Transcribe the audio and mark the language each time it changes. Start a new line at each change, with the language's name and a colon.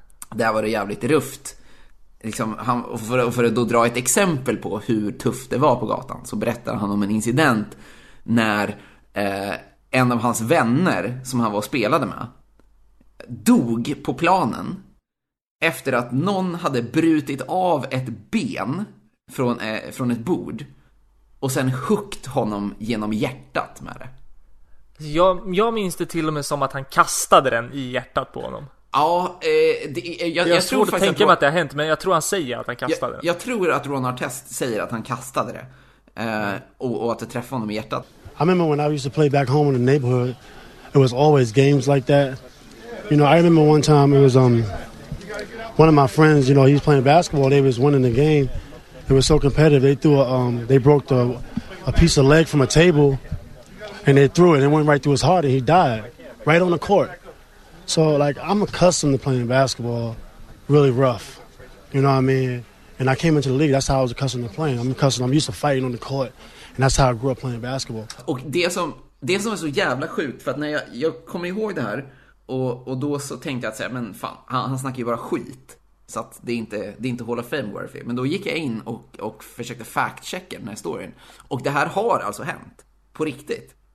Swedish: Där var det jävligt rufft. Liksom han, för att då dra ett exempel på hur tufft det var på gatan, så berättar han om en incident när en av hans vänner som han var och spelade med dog på planen efter att någon hade brutit av ett ben från ett bord och sen huggit honom genom hjärtat med det. Jag minns det till och med som att han kastade den i hjärtat på honom. Ja, jag tror faktiskt tänker att det har hänt, men jag tror han säger att han kastade det. Jag tror att Ron Artest säger att han kastade det och att det träffade honom i hjärtat.
English: I remember when I used to play back home in the neighborhood, it was always games like that. You know, I remember one time it was one of my friends, you know, he was playing basketball, they was winning the game. It was so competitive, they threw they broke a piece of leg from a table and they threw it and it went right through his heart and he died right on the court. So, like, I'm accustomed to playing basketball really rough, you know what I mean? And I came into the league, that's how I was accustomed to playing. I'm used to fighting on the court, and that's how I grew up playing basketball.
Swedish: Och det som är så jävla sjukt, för att när jag kommer ihåg det här, och då så tänkte jag att säga, men fan, han snackar ju bara skit, så att det är inte
English: Hall of Fame worthy.
Swedish: Men då gick jag in och försökte fact-checka den här storyn. Och det här har alltså hänt, på riktigt.